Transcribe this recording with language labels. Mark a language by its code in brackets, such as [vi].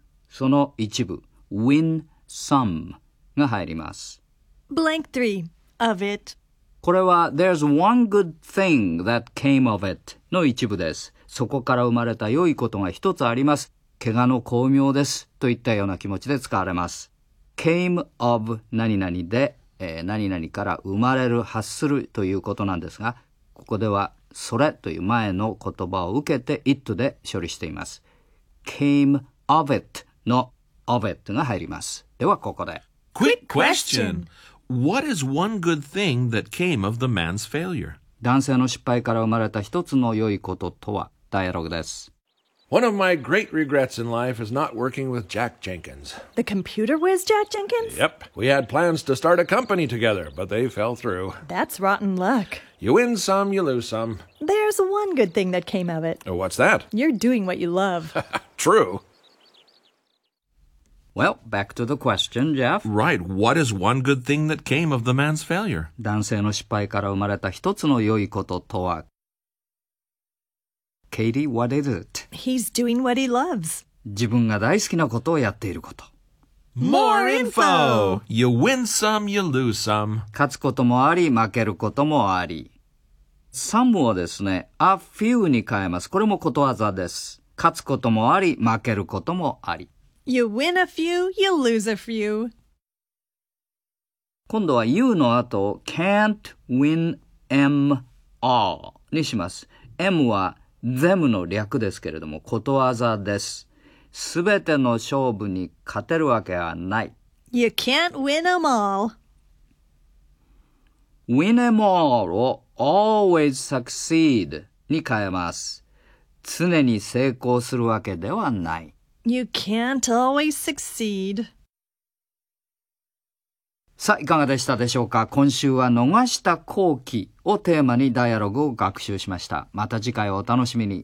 [ja] その一部 [en] win some [ja] が入ります。 [en] blank three of it。 [ja] これは [en] there's one good thing that came of it [ja] の一部です。そこから生まれた良いことが一つあります、怪我の功名ですといったような気持ちで使われます。 came of 何々で、何々から生まれる、発するということなんですが、ここではそれという前の言葉を受けて it で処理しています。 came of it の of it が入ります。ではここで [en] Quick question! What is one good thing that came of the man's failure? [ja] 男性の失敗から生まれた一つの良いこととは、ダイアログです。 [en] One of my great regrets in life is not working with Jack Jenkins. The computer whiz Jack Jenkins? Yep. We had plans to start a company together, but they fell through. That's rotten luck. You win some, you lose some. There's one good thing that came of it. What's that? You're doing what you love. True. Well, back to the question, Jeff. Right. What is one good thing that came of the man's failure? [ja] 男性の失敗から生まれた一つの良いこととは、 [en] Katie, what is it? He's doing what he loves. [ja] 自分が大好きなことをやっていること。 [en] More info! You win some, you lose some. [ja] 勝つこともあり、負けることもあり。Some をですね、a few に変えます。これもことわざです。勝つこともあり、負けることもあり。 [en] You win a few, you lose a few. [ja] 今度は you の後を [en] can't win em all [ja] にします。 em は them の略ですけれども、ことわざです。すべての勝負に勝てるわけはない。 [en] You can't win them all. Win them all [ja] を [en] always succeed [ja] に変えます。常に成功するわけではない。 [en] You can't always succeed. [ja] さあ、いかがでしたでしょうか。今週は逃した好機をテーマにダイアログを学習しました。また次回をお楽しみに。